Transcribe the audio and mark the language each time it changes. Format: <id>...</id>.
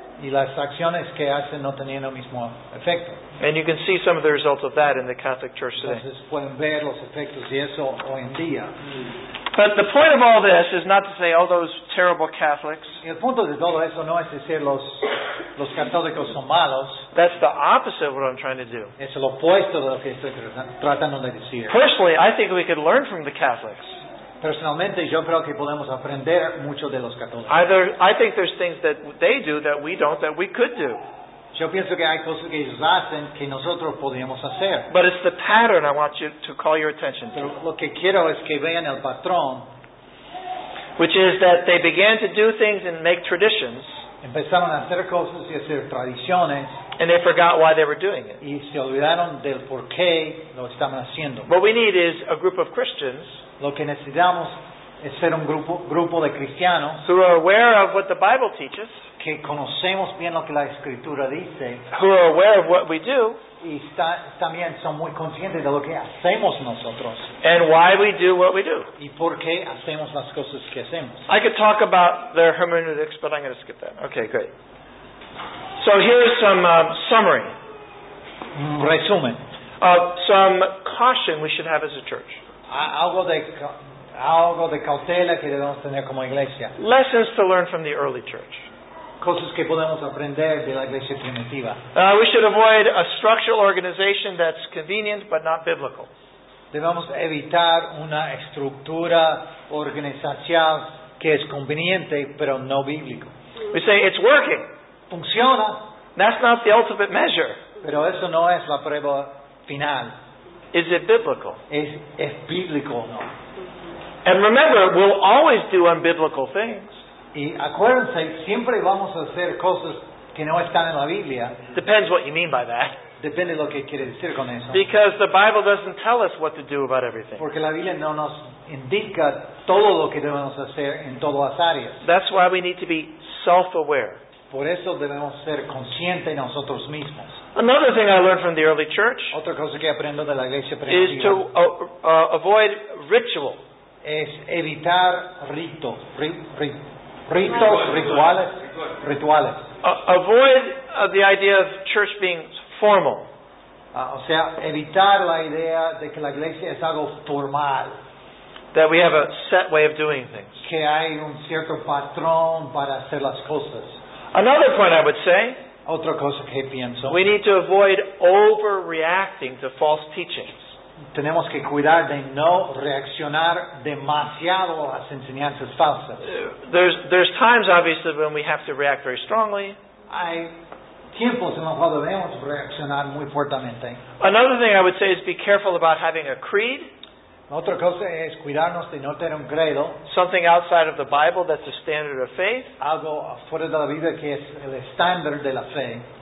<es>Y las acciones que hacen no tenían el mismo efecto.</es> <en>And you can see some of the results of that in the Catholic Church today.</en> <es>Entonces pueden ver los efectos de eso hoy en día.</es> <en>But the point of all this is not to say all those terrible Catholics.</en> <es>El punto de todo eso no es decir los católicos son malos.</es> <en>That's the opposite of what I'm trying to do.</en> <es>Es lo opuesto de lo que estoy tratando de decir.</es> <en>Personally, I think we could learn from the Catholics.</en> <es>Personalmente, yo creo que podemos aprender mucho de los católicos.</es> <en>I think there's things that they do that we don't, that we could do.</en> <es>Yo pienso que hay cosas que ellos hacen que nosotros podríamos hacer.</es> <en>But it's the pattern I want you to call your attention to.</en> <es>Pero lo que quiero es que vean el patrón.</es> <en>Which is that they began to do things and make traditions.</en> <es>Empezaron a hacer cosas y hacer tradiciones.</es> <en>And they forgot why they were doing it.</en> <es>Y se olvidaron del por qué lo estaban haciendo.</es> <en>What we need is a group of Christians.</en> <es>Lo que necesitamos es ser un grupo de cristianos.</es> <en>Who are aware of what the Bible teaches.</en> <es>Que conocemos bien lo que la Escritura dice.</es> <en>Who are aware of what we do.</en> <es>Y también son muy conscientes de lo que hacemos nosotros.</es> <en>And why we do what we do.</en> <es>Y por qué hacemos las cosas que hacemos.</es> <en>I could talk about their hermeneutics, but I'm going to skip that. Okay, great. So here's some summary.</en> <es>Resumen.</es> <en>Some caution we should have as a church.</en> <es>Algo de cautela que debemos tener como iglesia.</es> <en>Lessons to learn from the early church.</en> <es>Cosas que podemos aprender de la iglesia primitiva.</es> <en>We should avoid a structural organization that's convenient but not biblical.</en> <es>Debemos evitar una estructura organizacional que es conveniente pero no bíblico.</es> <en>We say it's working.</en> <es>Funciona.</es> <en>That's not the ultimate measure.</en> <es>Pero eso no es la prueba final.</es> <en>Is it biblical?</en> <es>Es bíblico, no.</es> <en>And remember, we'll always do unbiblical things.</en> <es>Y acuérdense, siempre vamos a hacer cosas que no están en la Biblia.</es> <en>Depends what you mean by that.</en> <es>Depende lo que quiere decir con eso.</es> <en>Because the Bible doesn't tell us what to do about everything.</en> <es>Porque la Biblia no nos indica todo lo que debemos hacer en todas las áreas.</es> <en>That's why we need to be self-aware.</en> <es>Por eso debemos ser conscientes nosotros mismos.</es> <en>Another thing I learned from the early church,</en> <es>otra cosa que aprendo de la iglesia primitiva,</es> <en>is to avoid ritual.</en> <es>Es evitar rituales.</es> <en>Avoid the idea of church being formal.</en> <es>Evitar la idea de que la iglesia es algo formal.</es> <en>That we have a set way of doing things.</en> <es>Que hay un cierto patrón para hacer las cosas.</es> <en>Another point I would say,</en> <es>otra cosa que pienso,</es> <en>we need to avoid overreacting to false teachings.</en> <es>Tenemos que cuidar de no reaccionar demasiado a las enseñanzas falsas.</es> <en>There's times, obviously, when we have to react very strongly.</en> <es>Hay tiempos en los cuales debemos reaccionar muy fuertemente.</es> <en>Another thing I would say is be careful about having a creed.</en> <es>Otra cosa es cuidarnos de no tener un credo.</es> <en>Something outside of the Bible that's a standard of faith.</en> <es>Algo fuera de la Biblia que es el estándar de la fe.</es>